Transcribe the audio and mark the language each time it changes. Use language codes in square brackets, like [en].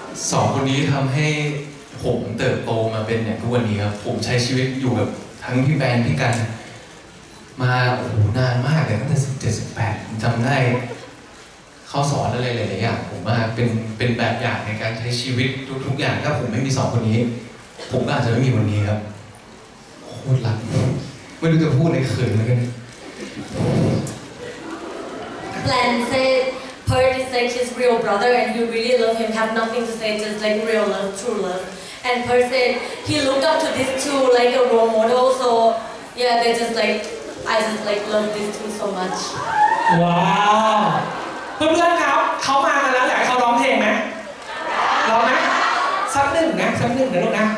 [th] สองคนนี้ทำให้ผมเติบโตมาเป็นอย่างทุกวันนี้ครับผมใช้ชีวิตอยู่กับทั้งพี่แบนพี่กันมาโอ้นานมากเลยตั้งแต่17-18จำได้เขาสอนอะไรหลายอย่างผมว่าเป็นแบบอย่างในการใช้ชีวิตทุกๆอย่างถ้าผมไม่มีสองคนนี้ผมอาจจะไม่มีวันนี้ครับโคตรหลักไม่รู้จะพูดในเขินเลยกัน [en] Blend said, Perth is like his real brother and you really love him, have nothing to say, just like real love, true love. And Perth said, he looked up to these two like a role model, so yeah, they're just like, I just like love these two so much. Wow! [th] เพื่อนๆครับเขามากันแล้วแหละเขาร้องเพลงไหมร้องไหมสักหนึ่งนะสักหนึ่งนะลูกนะ